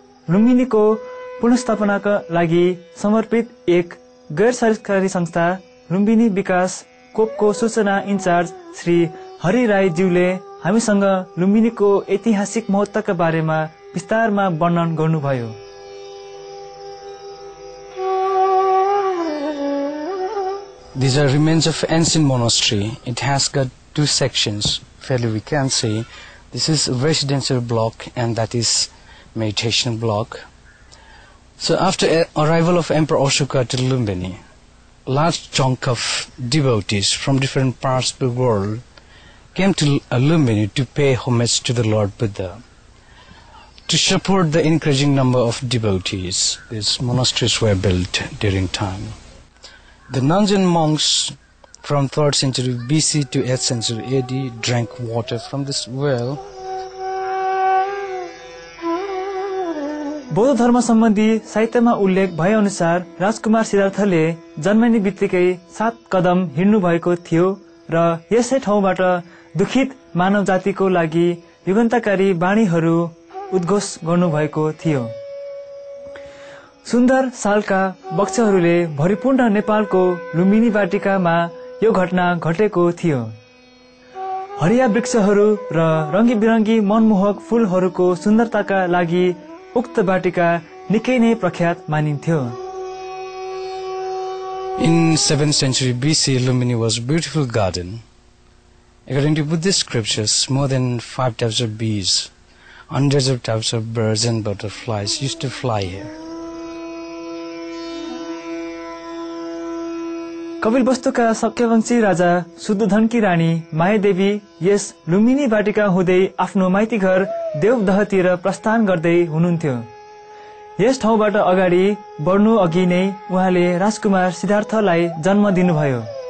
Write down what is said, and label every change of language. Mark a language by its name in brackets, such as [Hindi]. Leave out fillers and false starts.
[Nepali] लुम्बिनीको पुनस्थापनाका लागि समर्पित एक गैर सरकारी संस्था लुम्बिनी विकास कोपको सूचना इन्चार्ज श्री हरि राईज्यूले हामीसँग लुम्बिनीको ऐतिहासिक महत्त्वका बारेमा विस्तारमा वर्णन गर्नुभयो। [English] These are remains of ancient monastery. It has got two sections. Fairly we can say this is residential block and that is meditation block. So after arrival of Emperor Ashoka to Lumbini, large chunk of devotees from different parts of the world came to Lumbini to pay homage to the Lord Buddha. To support the increasing number of devotees, these monasteries were built during time. The nuns and monks from 3rd century BC to 8th century AD drank water from this well. [Nepali] बौद्ध धर्म सम्बन्धी साहित्यमा उल्लेख भए अनुसार राजकुमार सिद्धार्थले जन्मने बित्तिकै 7 कदम हिँड्नु भएको थियो र यसै ठाउँबाट दुखित मानव जातिको लागि युगन्तकारी वाणीहरू उद्घोष गर्नुभएको थियो। सुन्दर सालका वक्षहरूले भरिपूर्ण नेपालको लुम्बिनी वाटिकामा यो घटना घटेको थियो। हरिया वृक्षहरू र रङ्गी बिरङ्गी मनमोहक फुलहरूको सुन्दरताका लागि उक्त वाटिका निकै नै प्रख्यात मानिन्थ्यो। [English] In 7th century BC, Lumbini was a beautiful garden. According to Buddhist scriptures, more than 5 types of bees, hundreds of types of birds and butterflies used to fly here. [Nepali] कपिलवस्तुका शक्यवंशी राजा शुद्धधनकी रानी मायादेवी यस लुम्बिनी वाटिका हुँदै आफ्नो माइतीघर देवदहतिर प्रस्थान गर्दै हुनुहुन्थ्यो। यस ठाउँबाट अगाडि बढ्नु अघि नै उहाँले राजकुमार सिद्धार्थलाई जन्म दिनुभयो।